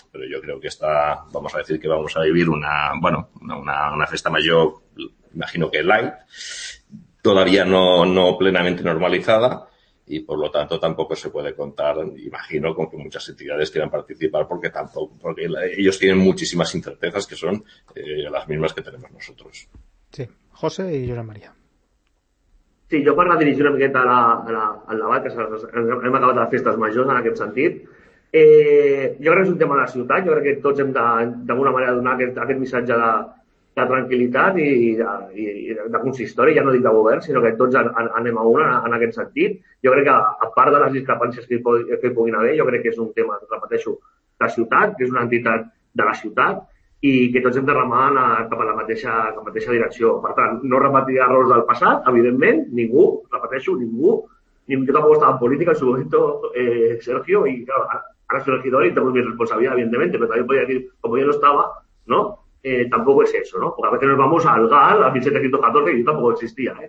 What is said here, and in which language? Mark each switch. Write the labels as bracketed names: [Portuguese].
[Spanish] Pero yo creo que está, vamos a decir que vamos a vivir una fiesta mayor, imagino que light, todavía no plenamente normalizada, y por lo tanto tampoco se puede contar, imagino, con que muchas entidades quieran participar, porque ellos tienen muchísimas incertezas que son las mismas que tenemos nosotros. [Catalan] Sí, José i Josep Maria. Sí, jo per redirigir una miqueta al debat, que hem acabat les festes majors en aquest sentit. Jo crec que és un tema de la ciutat, jo crec que tots hem d'alguna manera donar aquest missatge de tranquil·litat i de consistori, ja no dic de govern, sinó que tots anem a una en aquest sentit. Jo crec que, a part de les discrepàncies que hi puguin haver, jo crec que és un tema, repeteixo, de ciutat, que és una entitat de la ciutat, i que tots hem de remar cap a la mateixa direcció. Per tant, no repetir errors del passat, evidentment, ningú, repeteixo, ningú, [Spanish] yo tampoco estaba en política en su momento, Sergio, y claro, ahora soy regidor y tengo mi responsabilidad, evidentemente, pero también podría decir, como yo no estaba, ¿no? Tampoco es eso, ¿no? Porque a veces nos vamos al GAL, a 1714, y yo tampoco existía, ¿eh?